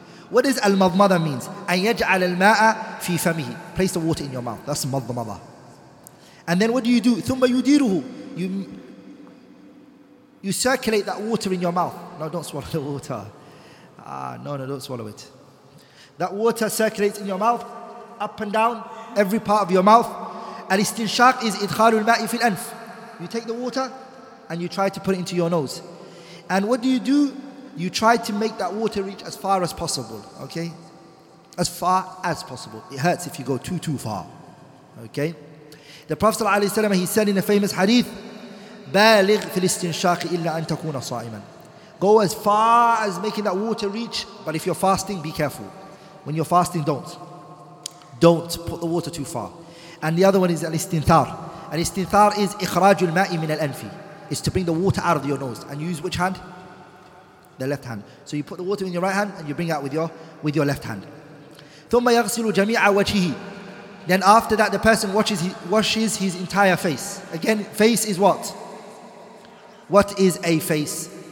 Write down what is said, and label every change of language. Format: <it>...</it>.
<en>What does al-madmada means?</en> <ar>أَنْ يَجْعَلَ الْمَاءَ فِي فَمِهِ.</ar> <en>Place the water in your mouth. That's madmada. And then what do?</en> <ar>ثُمَّ يُدِيرُهُ.</ar> <en>You circulate that water in your mouth. No, don't swallow the water. No, don't swallow it. That water circulates in your mouth, up and down, every part of your mouth.</en> <ar>الاستنشاق is إدخال الماء في الأنف.</ar> <en>You take the water and you try to put it into your nose. And what do? You try to make that water reach as far as possible. Okay? As far as possible. It hurts if you go too far. Okay? The Prophet</en> <ar>صلى الله عليه وسلم,</ar> <en>he said in a famous hadith,</en> <ar>بَالِغْ فِي الْإِسْتِنْشَاقِ إِلَّا أَن تَكُونَ صَائِمًا.</ar> <en>Go as far as making that water reach, but if you're fasting, be careful. When you're fasting, don't put the water too far. And the other one is الاستنثار.</en> <ar>الاستنثار is إخراج الماء من الأنف.</ar> <en>It's to bring the water out of your nose. And you use which hand? The left hand. So you put the water in your right hand and you bring it out with your left hand.</en> <ar>ثُمَّ يَغْسِلُ جَمِيعَ وَجْهِهِ.</ar> <en>Then after that, the person washes his entire face. Again, face is what? What is a face?</en>